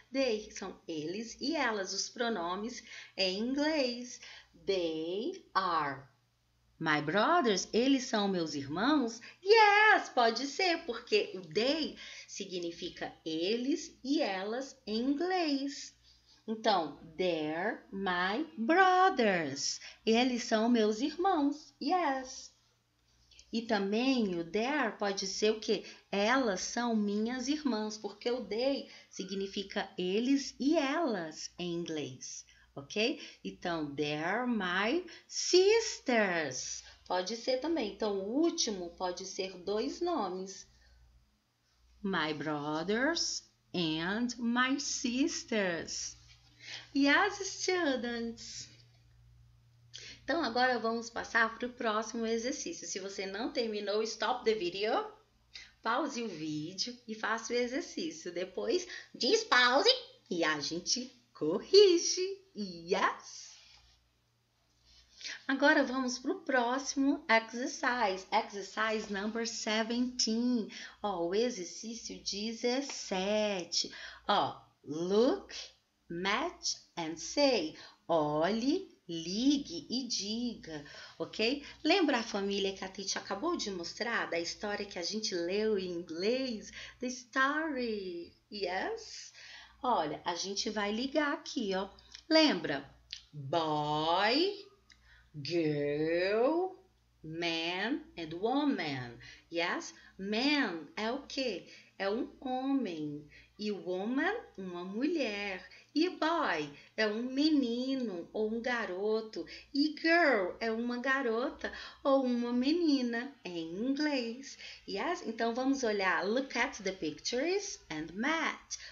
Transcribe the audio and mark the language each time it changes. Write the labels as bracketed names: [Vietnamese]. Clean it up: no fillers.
[Portuguese] They são eles e elas. Os pronomes em inglês. [English] They are my brothers. [Portuguese] Eles são meus irmãos? Yes, pode ser, porque o they significa eles e elas em inglês. [English] Então, they're my brothers. [Portuguese] Eles são meus irmãos. Yes. E também o there pode ser o quê? Elas são minhas irmãs, porque o they significa eles e elas em inglês, ok? [English] Então, they're my sisters. [Portuguese] Pode ser também. Então, o último pode ser dois nomes. [English] My brothers and my sisters. Yes, students. [Portuguese] Então, agora vamos passar para o próximo exercício. Se você não terminou, [English] stop the video, [Portuguese] pause o vídeo e faça o exercício. Depois, diz pause e a gente corrige. Yes! Agora, vamos para o próximo exercise. Exercise number 17. Ó, o exercício 17. [English] Ó, look, match and say. Olhe, [Portuguese] Ligue e diga, ok? Lembra a família que a Tite acabou de mostrar da história que a gente leu em inglês? [English] The story, yes? [Portuguese] Olha, a gente vai ligar aqui, ó. Lembra? [English] Boy, girl, man and woman, yes? [Portuguese] Man é o quê? É um homem. E woman, uma mulher. E boy é um menino ou um garoto. E girl é uma garota ou uma menina em inglês. Yes? Então vamos olhar. [English] Look at the pictures and match.